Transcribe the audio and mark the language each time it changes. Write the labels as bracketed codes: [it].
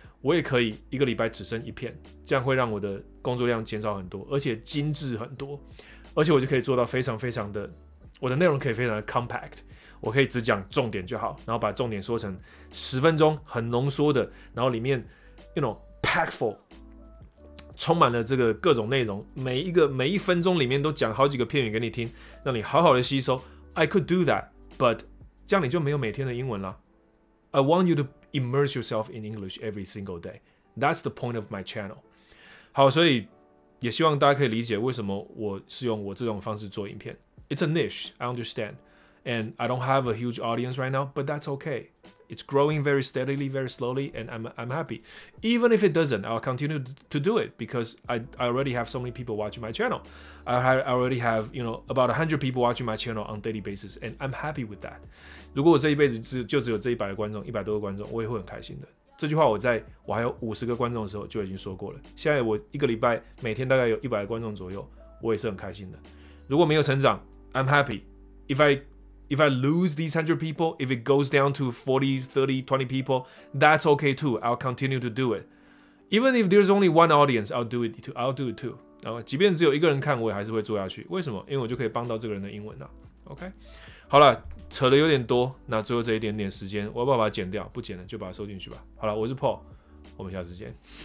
[zh] 我也可以一个礼拜只生一片，这样会让我的工作量减少很多，而且精致很多，而且我就可以做到非常非常的，我的内容可以非常的 compact。我可以只讲重点就好，然后把重点说成十分钟很浓缩的，然后里面 you know packful， 充满了这个各种内容，每一分钟里面都讲好几个片语给你听，让你好好的吸收。 [en] I could do that， but [zh] 这样你就没有每天的英文了。 [en] I want you to immerse yourself in English every single day. That's the point of my channel. [zh] 好，所以也希望大家可以理解为什么我是用我这种方式做影片。 [en] It's a niche, I understand. And I don't have a huge audience right now, but that's okay. It's growing very steadily, very slowly, and I'm happy. Even if it doesn't, I'll continue to do it because I already have so many people watching my channel. I already have, you know, about 100 people watching my channel on a daily basis, and I'm happy with that. [zh] 如果我这一辈子就只有这100个观众，100多个观众，我也会很开心的。这句话我还有50个观众的时候就已经说过了。现在我一个礼拜每天大概有100个观众左右，我也是很开心的。如果没有成长， [en] I'm happy. If I lose these 100 people, if it goes down to 40, 30, 20 people, that's okay too. I'll continue to do it. Even if there's only one audience, I'll do it too. I'll do it too. [zh] 然后即便只有一个人看，我也还是会做下去。为什么？因为我就可以帮到这个人的英文啊。 OK， 好了，扯的有点多，那最后这一点点时间，我要不要把它剪掉？不剪了，就把它收进去吧。好了，我是 Paul， 我们下次见。